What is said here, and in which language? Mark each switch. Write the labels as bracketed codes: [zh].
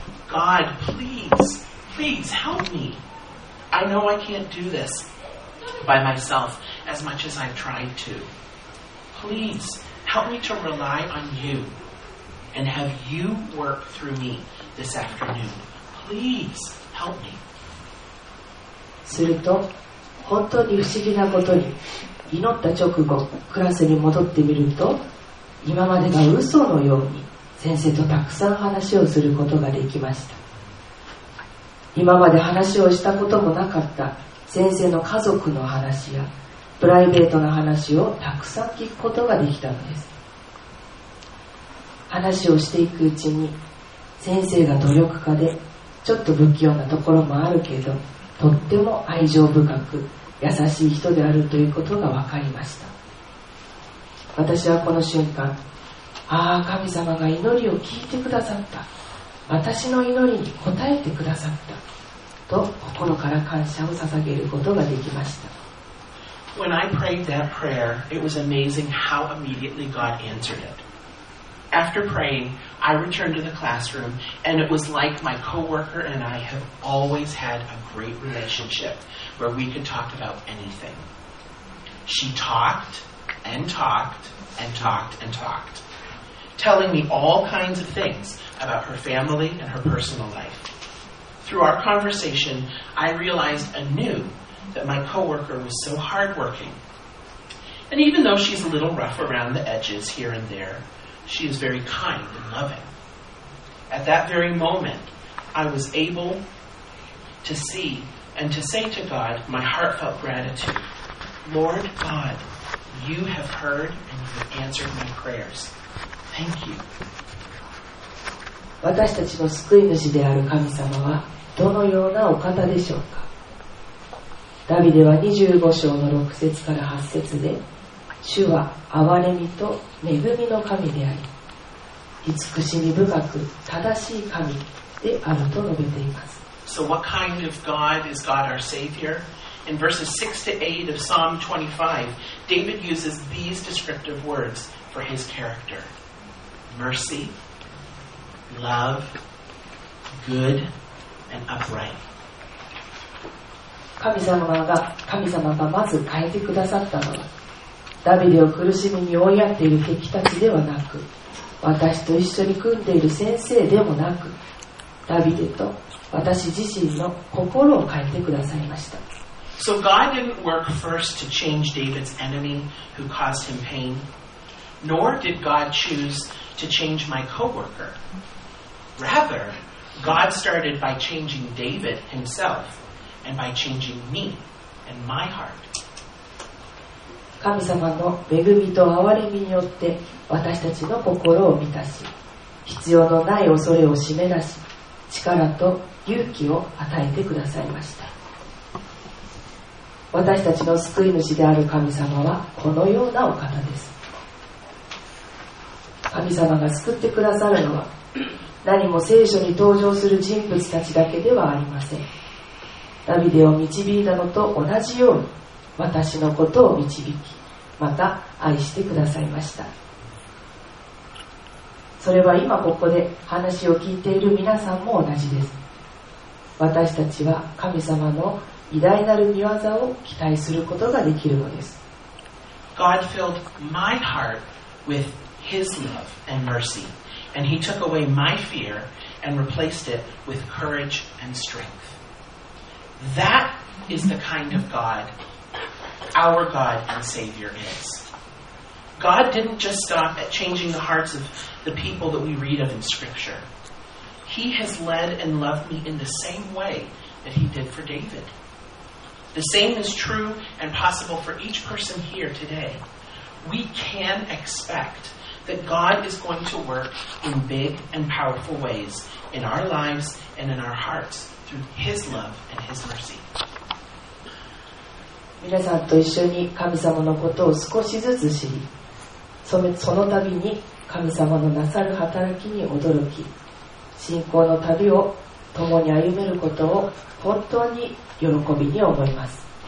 [en] God, please, please help me. I know I can't do this by myself as much as I've tried to. Please, help me to rely on you and have you work through me this afternoon. Please, help me. [ja] すると、本当に不思議なことに、祈った直後、クラスに戻ってみると、今までが嘘のように、先生とたくさん話をすることができました。今まで話をしたこともなかった先生の家族の話やプライベートの話をたくさん聞くことができたのです。話をしていくうちに、先生が努力家で、ちょっと不器用なところもあるけど、とっても愛情深く、優しい人であるということが分かりました。私はこの瞬間、ああ、神様が祈りを聞いてくださった。私の祈りに応えてくださった。と心から感謝を捧げることができました。 [en] When I prayed that prayer, it was amazing how immediately God answered it. After praying, I returned to the classroom, and it was like my coworker and I have always had a great relationship where we could talk about anything. She talked and talked and talked and talked. Telling me all kinds of things about her family and her personal life. Through our conversation, I realized anew that my coworker was so hardworking. And even though she's a little rough around the edges here and there, she is very kind and loving. At that very moment, I was able to see and to say to God my heartfelt gratitude. Lord God, you have heard and you have answered my prayers. [ja] 私たちの救い主である神様はどのようなお方でしょうか。ダビデは25章の6節から8節で、主は憐れみと恵みの神であり、慈しみ深く正しい神であると述べています。 [en] So what kind of God is God our Savior? In verses 6 to 8 of Psalm 25, David uses these descriptive words for his characterMercy, love, good, and upright. [ja] 神様がまず変えてくださったのは、ダビデを苦しみに追いやっている敵たちではなく、私と一緒に組んでいる先生でもなく、ダビデと私自身の心を変えてくださいました。 [en] So God didn't work first to change David's enemy who caused him pain, nor did God choose. To change my coworker. Rather, God started by changing David himself and by changing me and my heart. [ja] 神様の恵みと憐れみによって私たちの心を満たし、必要のない恐れを締め出し、力と勇気を与えてくださいました。私たちの救い主である神様はこのようなお方です。神様が救ってくださるのは何も聖書に登場する人物たちだけではありません。ダビデを導いたのと同じように私のことを導き、また愛してくださいました。それは今ここで話を聞いている皆さんも同じです。私たちは神様の偉大なる御業を期待することができるのです。 [en] God filled my heart with his love and mercy, and he took away my fear and replaced it with courage and strength. That is the kind of God our God and Savior is. God didn't just stop at changing the hearts of the people that we read of in Scripture. He has led and loved me in the same way that he did for David. The same is true and possible for each person here today. We can expect that God is going to work in big and powerful ways in our lives and in our hearts through his love and his mercy. [ja] 皆さんと一緒に神様のことを少しずつ知り、その度に神様のなさる働きに驚き、信仰の旅を共に歩めることを本当に喜びに思います。